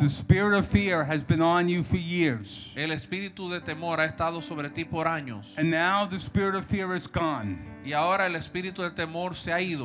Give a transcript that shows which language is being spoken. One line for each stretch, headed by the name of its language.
English: The spirit of fear has been on you for years.
Spanish: El espíritu de temor ha estado sobre ti por años.
English: And now the spirit of fear is gone.
Spanish: Y ahora el espíritu de temor se ha ido.